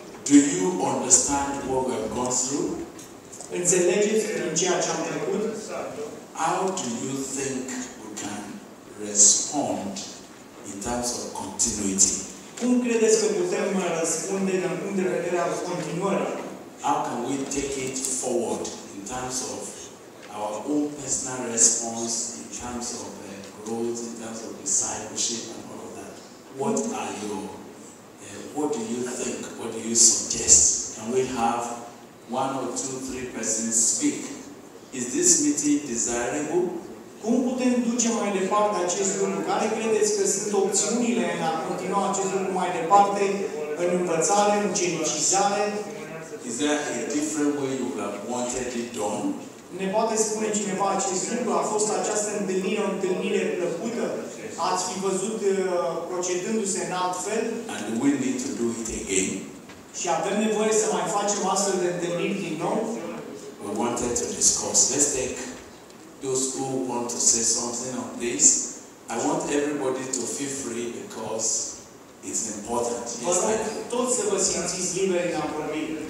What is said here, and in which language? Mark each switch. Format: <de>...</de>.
<en>Do you understand what we have gone through?</en> <ro>Înțelegeți prin ceea ce am trecut?</ro> <en>How do you think we can respond in terms of continuity?</en> <ro>Cum credeți că putem răspunde din punct de vedere al continuării?</ro> <en>How can we take it forward in terms of our own personal response, in terms of growth, in terms of discipleship and all of that? What are your what do you think? What do you suggest? Can we have one or two, three persons speak? Is this meeting desirable?</en> <ro>Cum putem duce mai departe acest lucru? Care credeți că sunt opțiunile în a continua acest lucru mai departe în învățare, în genocizare?</ro> <en>Is there a different way you would have wanted it done?</en> <ro>Ne poate spune cineva acest lucru? A fost această întâlnire, o întâlnire plăcută? Ați fi văzut procedându-se în alt fel?</ro> <en>And we need to do it again.</en> <ro>Și avem nevoie să mai facem astfel de întâlniri din nou?</ro> <en>We wanted to discuss. Let's take those who want to say something on this. I want everybody to feel free because it's important. Yes, I do.</en> <ro>Toți să vă simțiți liberi în a vorbi.</ro>